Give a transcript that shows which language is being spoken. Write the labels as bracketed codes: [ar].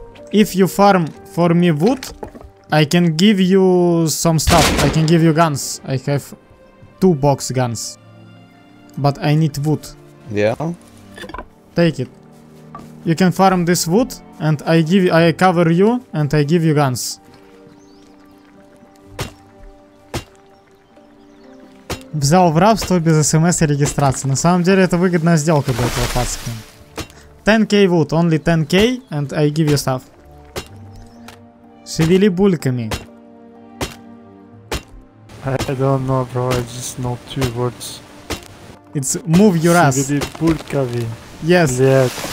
[en] If you farm for me wood, I can give you some stuff. I can give you guns. I have 2 box guns. But I need wood. Yeah. Take it. You can farm this wood, and I cover you, and I give you guns. [ru] Взял в рабство без смс и регистрации. На самом деле это выгодная сделка для этого пацана. [en] 10k wood, only 10k, and I give you stuff. [ru] Шевели бульками. [en] I don't know, bro, I just know two words. It's move your ass. [ru] Шевели бульками. [en] Yes. [ru] Блять.